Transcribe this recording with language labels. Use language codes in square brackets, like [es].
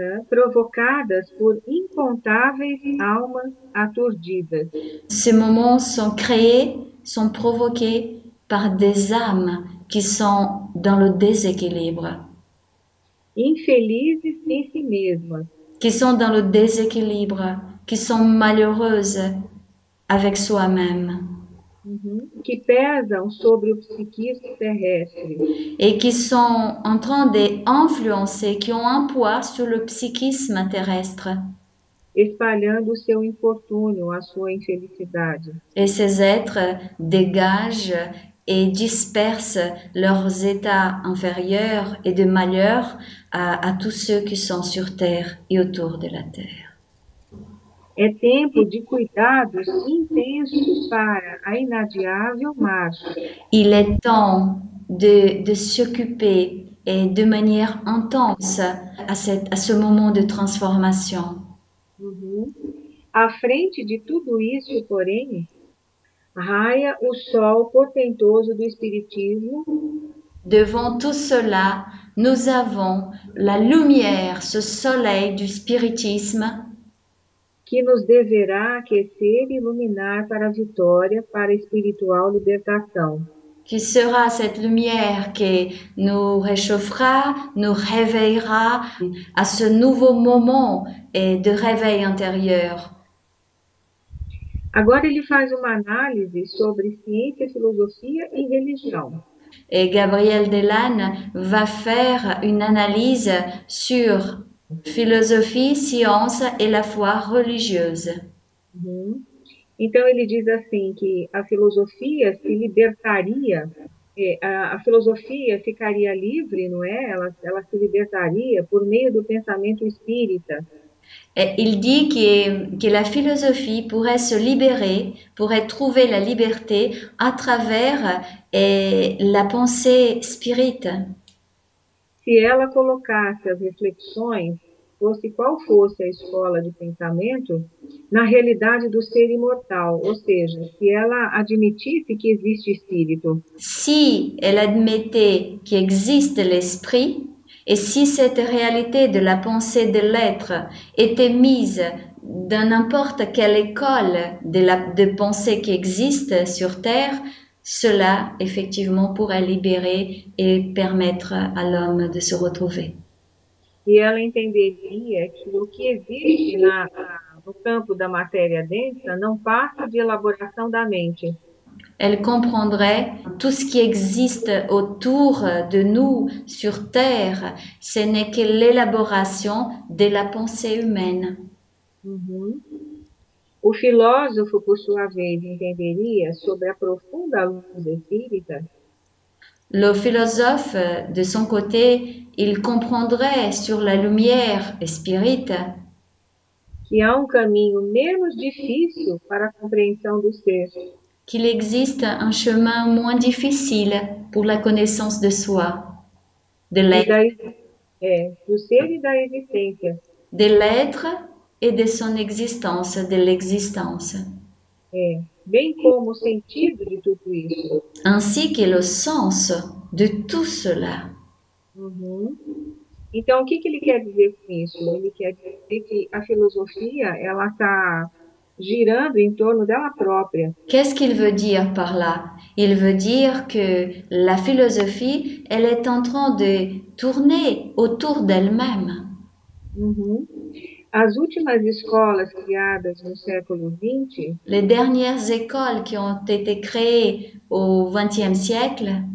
[pt] Provocadas por incontáveis almas aturdidas. [fr] Ces moments sont créés, sont provoqués par des âmes qui sont dans le déséquilibre. [pt] Infelizes em si mesmas. [fr] Qui sont dans le déséquilibre, qui sont malheureuses avec soi-même. [pt] Que pesam sobre o psiquismo terrestre. [fr] Et qui sont en train d'influencer, qui ont un poids sur le psychisme terrestre. [pt] Espalhando o seu infortúnio, a sua infelicidade. [fr] Et ces êtres dégagent et dispersent leurs états inférieurs et de malheur à tous ceux qui sont sur Terre et autour de la Terre. [pt] É tempo de cuidados intensos para a inadiável marcha. [fr] Il est temps de s'occuper et de manière intense à ce moment de transformation. [pt] À frente de tudo isso, porém, raia o sol portentoso do Espiritismo. [fr] Devant tout cela, nous avons la lumière, ce soleil du spiritisme. [pt] Que nos deverá aquecer e iluminar para a vitória, para a espiritual libertação. Que será essa [fr] lumière que nos réchauffera, nos réveillera a ce nouveau moment de réveil intérieur? [pt] Agora ele faz uma análise sobre ciência, filosofia e religião. [fr] E Gabriel Delanne va faire une analyse sur philosophie, science et la foi religieuse. [pt] Então ele diz assim que a filosofia se libertaria, a filosofia ficaria livre, não é? Ela se libertaria por meio do pensamento espírita. [fr] Il dit que la philosophie pourrait se libérer, pourrait trouver la liberté à travers la pensée spirite. [pt] Se ela colocasse as reflexões, fosse qual fosse a escola de pensamento, na realidade do ser imortal, ou seja, se ela admitisse que existe espírito. [fr] Si elle admettait que existe l'esprit, et si cette réalité de la pensée de l'être était mise dans n'importe quelle école de pensée qui existe sur Terre, cela effectivement pourrait libérer et permettre à l'homme de se retrouver. [pt] E ela entenderia que o que existe no campo da matéria densa não passa de elaboração da mente. [fr] Elle comprendrait tout ce qui existe autour de nous sur Terre, ce n'est que l'élaboration de la pensée humaine. [pt] O filósofo, por sua vez, entenderia sobre a profunda luz espírita. [fr] Le philosophe, de son côté, il comprendrait sur la lumière spirite qu'il y a un [pt] caminho menos difícil para a compreensão do ser. [fr] Qu'il existe un chemin moins difficile pour la connaissance de soi, de l'être, [pt] du ser et da existência. [fr] De l'être et de son existence, de l'existence. [pt] Bem como o sentido de tudo isso. [fr] Ainsi que le sens de tout cela. [pt] Então, o que ele quer dizer com isso? Ele quer dizer que a filosofia, ela está girando em torno dela própria. [fr] Qu'est-ce qu'il veut dire par là? Il veut dire que la philosophie, elle est en train de tourner autour d'elle-même. [pt] As últimas escolas criadas no século XX, [fr] les dernières écoles qui ont été créées au XXe siècle,